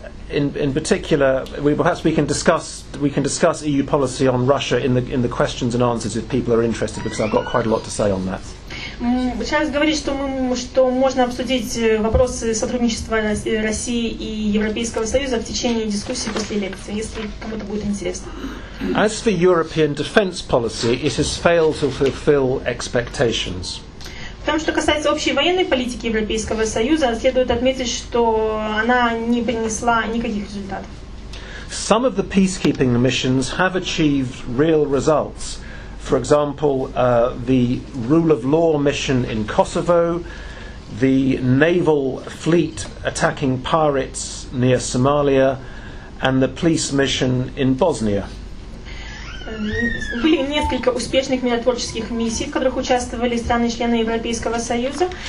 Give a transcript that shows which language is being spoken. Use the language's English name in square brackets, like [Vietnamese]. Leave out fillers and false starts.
[English] In particular, we can discuss EU policy on Russia in the questions and answers if people are interested, because I've got quite a lot to say on that. [Russian] Сейчас говорить, что можно обсудить вопросы сотрудничества России и Европейского Союза в течение дискуссии после лекции, если кому-то будет интересно. [English] As for European defence policy, it has failed to fulfil expectations. [Russian] В том, что касается общей военной политики Европейского Союза, следует отметить, что она не принесла никаких результатов. [English] Some of the peacekeeping missions have achieved real results. For example, the rule of law mission in Kosovo, the naval fleet attacking pirates near Somalia, and the police mission in Bosnia. [Russian] Были несколько успешных миротворческих миссий, в которых участвовали страны-члены Европейского Союза.